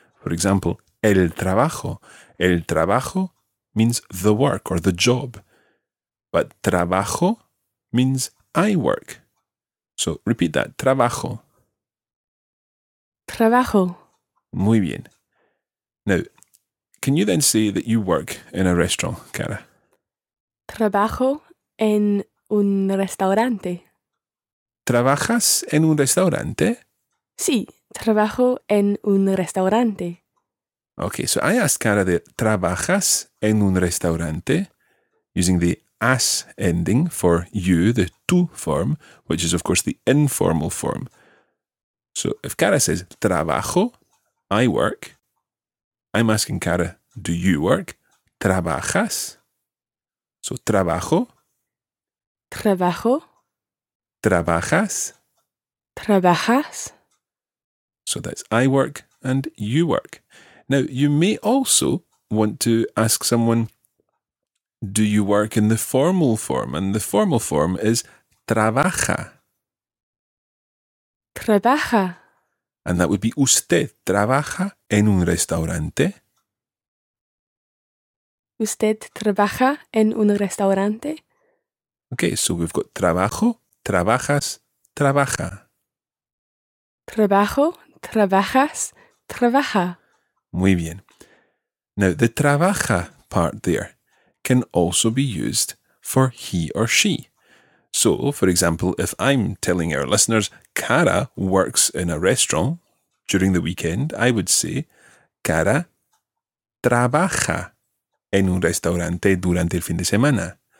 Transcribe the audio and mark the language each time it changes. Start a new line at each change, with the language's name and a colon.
English: For example, el trabajo. El trabajo means the work or the job. But trabajo means I work. So, repeat that. Trabajo.
Spanish: Trabajo. Muy bien.
English: Now, can you then say that you work in a restaurant, Cara?
Spanish: Trabajo en un restaurante. ¿Trabajas en un restaurante? Sí, trabajo en un restaurante.
English: Okay, so I asked Cara there,
Spanish: ¿trabajas en un restaurante?
English: Using the as ending for you, the tú form, which is, of course, the informal form. So if Cara says, trabajo, I work, I'm asking Cara, do you work?
Spanish: ¿Trabajas?
English: So trabajo.
Spanish: Trabajo. ¿Trabajas? ¿Trabajas?
English: So that's I work and you work. Now, you may also want to ask someone, do you work in the formal form? And the formal form is trabaja.
Spanish: Trabaja.
English: And that would be
Spanish: usted trabaja en un restaurante. Usted trabaja en un restaurante.
English: Okay, so we've got
Spanish: trabajo, trabajas, trabaja. Trabajo, trabajas, trabaja. Muy bien.
English: Now, the trabaja part there can also be used for he or she. So, for example, if I'm telling our listeners, Cara works in a restaurant during the weekend, I would say,
Spanish: Cara trabaja en un restaurante durante el fin de semana.